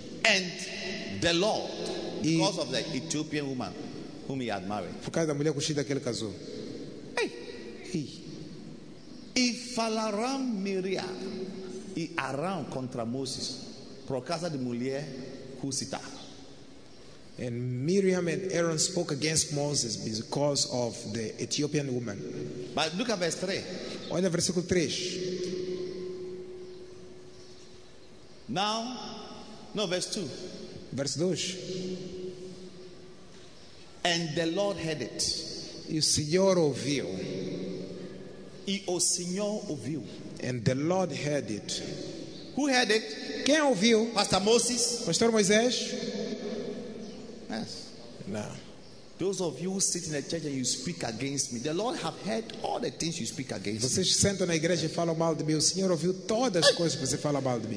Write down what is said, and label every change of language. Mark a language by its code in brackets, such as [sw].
[en] And the Lord, because of the Ethiopian woman whom he had married. [pt] Por causa da mulher cuxida que ele casou. Hey. E falaram Miria e Arão contra Moses por causa de mulher cuxida. [en] And Miriam and Aaron spoke against Moses because of the Ethiopian woman. But look at verse 3. [pt] Olha versículo 3. [en] Now, no, verse 2. Verse 2. And the Lord heard it. [pt] E o Senhor ouviu. E o Senhor ouviu. [en] And the Lord heard it. Who heard it? [pt] Quem ouviu? [en] Pastor Moses. [pt] Pastor Moisés. [en] Yes. No. Those of you who sit in the church and you speak against me, the Lord have heard all the things you speak against me. [pt] Vocês sentam na igreja e falam mal de mim. O Senhor ouviu todas as coisas que você fala mal de mim.